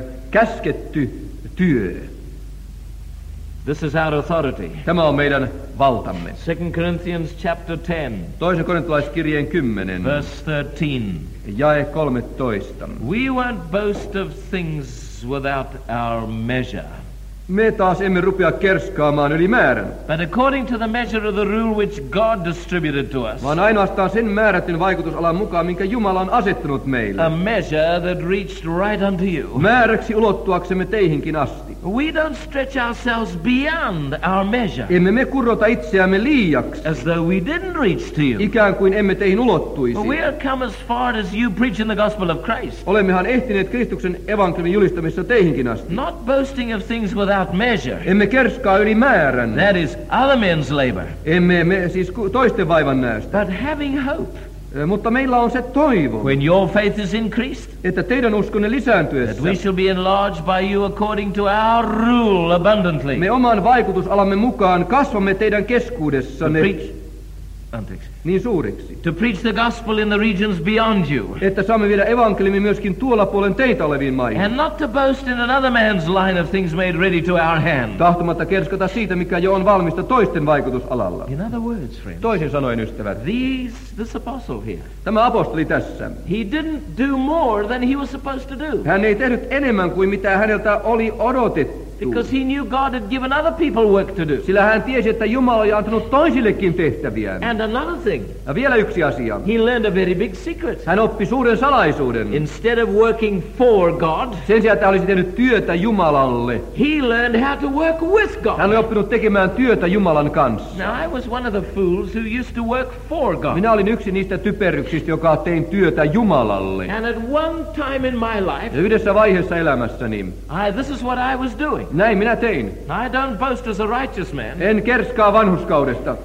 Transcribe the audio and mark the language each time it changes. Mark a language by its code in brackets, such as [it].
[fi] Käsketty työ. [en] This is our authority. [fi] Tämä on meidän valtamme. [en] 2 Corinthians chapter 10. [fi] Toisen korintolaiskirjeen 10. [en] Verse 13. [fi] Jae 13. [en] We won't boast of things without our measure. [fi] Me taas emme rupea kerskaamaan yli määrän. [en] But according to the measure of the rule which God distributed to us. [fi] Vaan ainoastaan sen määrätyn vaikutusalan mukaan, minkä Jumala on asettanut meille. [en] A measure that reached right unto you. [fi] Määräksi ulottuaksemme teihinkin asti. [en] We don't stretch ourselves beyond our measure. [fi] Emme me kurrota itseämme liiaksi. [en] As though we didn't reach to you. [fi] Ikään kuin emme teihin ulottuisi. [en] But we have come as far as you preach in the gospel of Christ. [fi] Olemmehan ehtineet Kristuksen evankeliumin julistamisessa teihinkin asti. [en] Not boasting of things without measure. [fi] Emme kerskaa yli määrän. [en] That is other men's labor. [fi] Emme me siis toisten vaivan näystä. [en] But having hope. [fi] Mutta meillä on se toivo. [en] When your faith is increased. [fi] Että teidän uskonne lisääntyessä. [en] That we shall be enlarged by you according to our rule abundantly. [fi] Me oman vaikutusalamme mukaan kasvamme teidän keskuudessanne. Niin suureksi. [en] To preach the gospel in the regions beyond you. [fi] Että saamme viedä evankeliumi myöskin tuolla puolen teitä oleviin maihin. [en] And not to boast in another man's line of things made ready to our hand. [fi] Tahtomatta kerskata siitä, mikä jo on valmista toisten vaikutusalalla. [en] In other words, friends. [fi] Toisin sanoen, ystävät. [en] This apostle here. [fi] Tämä apostoli tässä. [en] He didn't do more than he was supposed to do. [fi] Hän ei tehnyt enemmän kuin mitä häneltä oli odotettu. [en] Because he knew God had given other people work to do. [fi] Sillä hän tiesi, että Jumala oli antanut toisillekin tehtäviä. [en] And another thing. [fi] Ja vielä yksi asia. [en] He learned a very big secret. [fi] Hän oppi suuren salaisuuden. [en] Instead of working for God. [fi] Sen sijaan, että hän olisi tehnyt työtä Jumalalle. [en] He learned how to work with God. [fi] Hän oli oppinut tekemään työtä Jumalan kanssa. [en] Now I was one of the fools who used to work for God. [fi] Minä olin yksi niistä typeryksistä, joka tein työtä Jumalalle. [en] And at one time in my life. [fi] Ja yhdessä vaiheessa elämässäni. [en] This is what I was doing. [fi] Näin minä tein. [en] I don't boast as a righteous man. [fi] En kerskaa vanhuskaudesta.